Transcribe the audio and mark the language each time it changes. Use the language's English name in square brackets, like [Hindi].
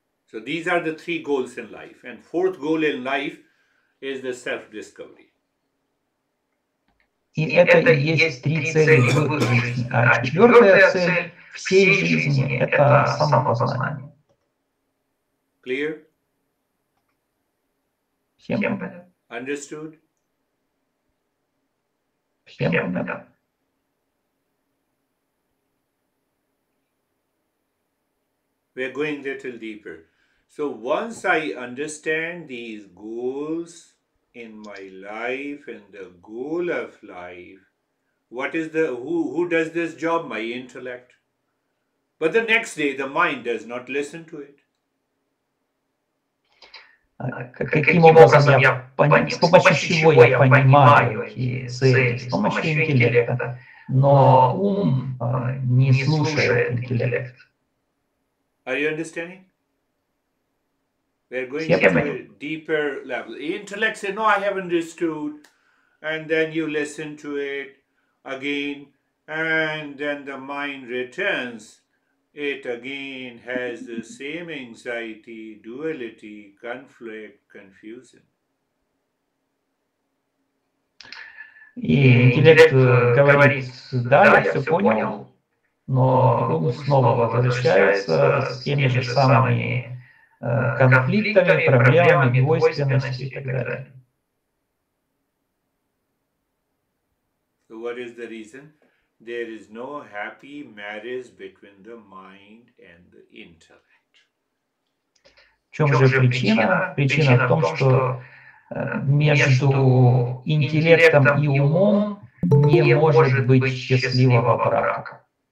[English] So these are the three goals in life. And fourth goal in life is the self-discovery. [Russian] И это и есть три цели в жизни. А четвертая цель всей жизни – это самопознание. [English] Clear? [Russian] Всем понятно? [English] Understood? [Russian] Всем понятно? [English] We are going a little deeper. So once I understand these goals, in my life, in the goal of life, what is the who does this job? My intellect. But the next day, the mind does not listen to it. [Russian] Каким образом я понимаю, с помощью чего я понимаю эти цели, с помощью интеллекта, но ум не слушает интеллект. [English] Are you understanding? We're going to a deeper level. Intellect says, no, I have understood. And then you listen to it again. And then the mind returns. It again has the same anxiety, duality, conflict, confusion. [Russian] Intellect говорит, да, я все понял. Но ум снова возвращается с теми же самыми конфликтами, проблемами, двойственностью и так далее. [English] So what is the reason? There is no happy marriage between the mind and the intellect. [Russian] В чем же причина? Причина в том, что между интеллектом и умом не может быть счастливого брака.